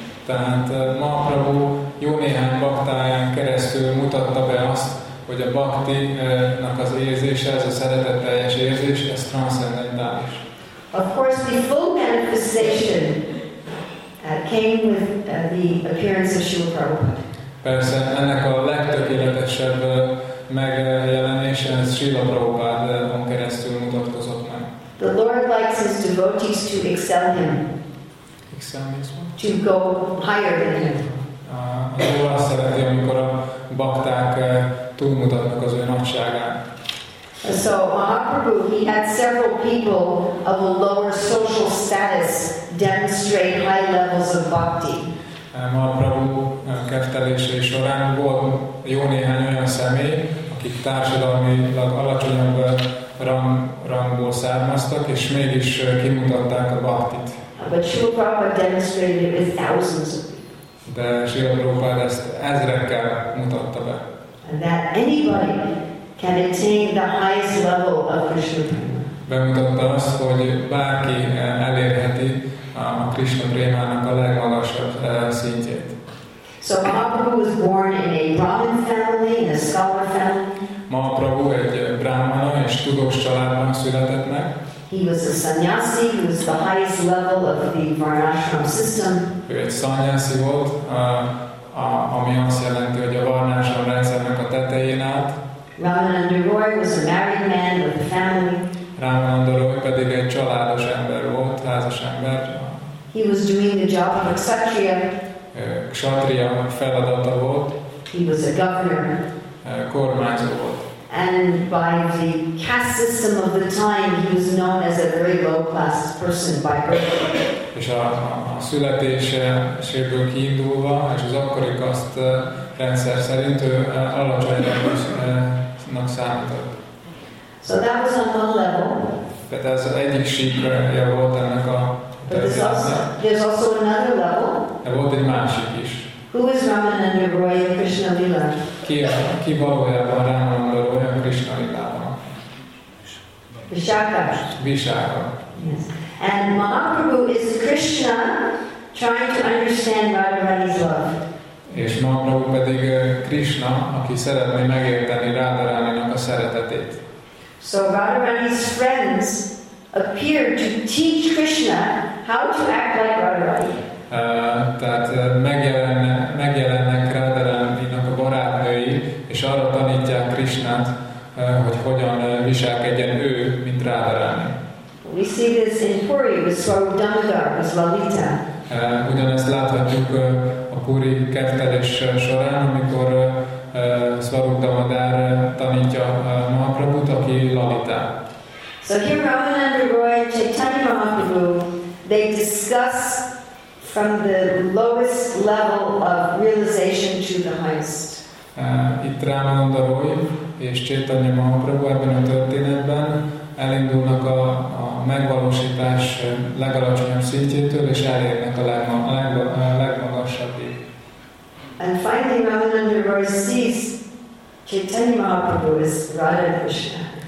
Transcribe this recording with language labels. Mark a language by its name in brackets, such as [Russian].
[Hungarian] Tehát Mahaprabhu jó néhány baktáján keresztül mutatta be azt, hogy a bhakti-nak az érzése, ez a szeretetteljes érzés, ez transzendentális. [English] Of course, the full manifestation came with the appearance of Srila Prabhupada. [Hungarian] Persze, ennek a legtökéletesebb megjelenése, ez Srila Prabhupádon keresztül mutatkozott meg. [English] The Lord likes his devotees to excel him. To go higher than him. [Hungarian] Az Úr azt szereti, amikor a bakták túlmutatnak az ő nagyságán. [English] So Mahaprabhu, he had several people of a lower social status demonstrate high levels of bhakti. [Hungarian] Mahaprabhu keftelése során volt jó néhány olyan személy, akik társadalmilag alacsonyabb rangból származtak, és mégis kimutatták a bhaktit. [English] But Srila Prabhupada demonstrated it with thousands of people. [Hungarian] De Srila Prabhupada ezt ezrekkel mutatta be. [English] And that anybody can attain the highest level of Krishna. [Hungarian] Bemutatta azt, hogy bárki elérheti a Krishna prémának a legmagasabb szintjét. [English] So Mahaprabhu was born in a Brahmin family, in a scholar family. [Hungarian] Mahaprabhu egy brahmana és tudós családban született meg. [English] He was a sannyasi, who was the highest level of the varnashram system. [Hungarian] Ő egy sannyasi volt, ami azt jelenti, hogy a varnashram rendszernek a tetején állt. [English] Ramananda Roy was a married man with a family. [Hungarian] Ramananda Roy pedig egy családos ember volt, házas ember. [English] He was doing the job of a kshatriya. [Hungarian] Kshatriya feladata volt. [English] He was a governor. [Hungarian] Kormányzó volt. [English] And by the caste system of the time, he was known as a very low-class person by birth. [Hungarian] És a születéséből kiindulva, és az akkori kaszt rendszer szerint ő alacsonyabbnak számított. [English] So that was on one level. [Hungarian] Tehát ez az egyik síkja volt ennek a területnek. [English] But there's also another level. [Hungarian] De volt egy másik is. [English] Who is Ramananda Roy of Krishna Lila? [Hungarian] Ki valójában Ramananda Roy of Krishna Lila-ban? Vishaka. Vishaka. [English] Yes. And Mahaprabhu is Krishna trying to understand Radharani's love. [Hungarian] És Mahaprabhu pedig Krishna, aki szeretné megérteni Radharani-nak a szeretetét. [English] So Radharani's friends appear to teach Krishna how to act like Radharani. [Hungarian] Tehát megjelennek Radharani-nak a barátnői, és arra tanítják Krishnát, hogy hogyan viselkedjen ő, mint Radharani. [English] We see this in Puri with Swarupdhamagar, with Lalita. [Hungarian] Ugyanezt láthatjuk a Puri kertelés során, amikor Swarupdhamagar tanítja Mahaprabhut, aki Lalita. [English] So here Ramananda Roy and Chaitanya Mahaprabhu, they discuss from the lowest level of realization to the highest. [Hungarian] Itt Ramananda Roy és Chaitanya Mahaprabhu ebben a történetben elindulnak a megvalósítás legalacsonyabb szintjétől, és elérnek a legmagasabbig. [English] And finally Ramananda Roy sees Chaitanya Mahaprabhu as Radha Krishna.